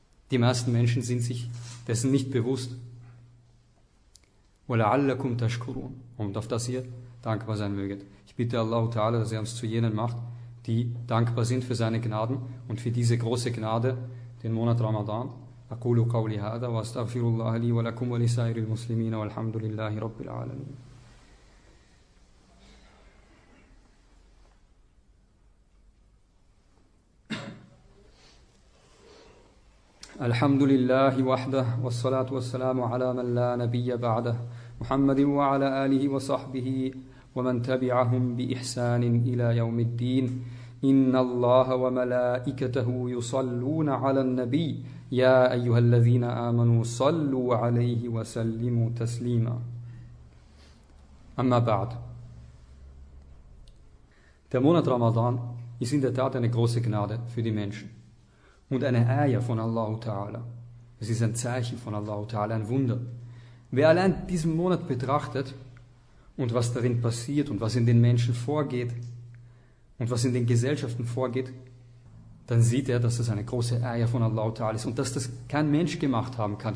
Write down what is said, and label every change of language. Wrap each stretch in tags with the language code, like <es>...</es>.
<de>Die meisten Menschen sind sich dessen nicht bewusst.</de> <ar>وَلَعَلَّكُمْ تَشْكُرُونَ.</ar> <de>Und auf dass ihr dankbar sein möget. Ich bitte Allah Ta'ala, dass er uns zu jenen macht, die dankbar sind für seine Gnaden und für diese große Gnade, den Monat Ramadan.</de> <ar>أقول قولي هذا وأستغفر الله لي ولكم ولسائر المسلمين والحمد لله رب العالمين. الحمد لله وحده والصلاة والسلام على من لا نبي بعده محمد وعلى آله وصحبه ومن تبعهم بإحسان إلى يوم الدين. إن الله وملائكته يصلون على النبي يا أيها الذين آمنوا صلوا عليه وسلموا تسليما. أما بعد.</ar> <de>Der Monat Ramadan ist in der Tat eine große Gnade für die Menschen und eine Aya von Allah Ta'ala. Es ist ein Zeichen von Allah Ta'ala, ein Wunder. Wer allein diesen Monat betrachtet und was darin passiert und was in den Menschen vorgeht und was in den Gesellschaften vorgeht, dann sieht er, dass das eine große Aya von Allah Ta'ala ist und dass das kein Mensch gemacht haben kann.</de>